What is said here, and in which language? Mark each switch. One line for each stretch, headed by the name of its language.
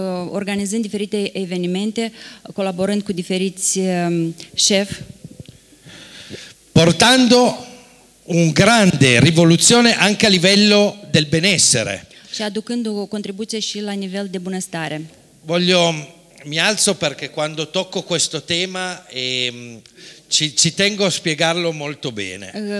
Romanian: Organizând diferite evenimente, colaborând cu diferiți chef.
Italian: Portando un grande rivoluzione anche a livello del benessere.
Romanian: Și aducând o contribuție și la nivel de bunăstare.
Italian: Voglio mi alzo perché quando tocco questo tema ci tengo a spiegarlo molto bene.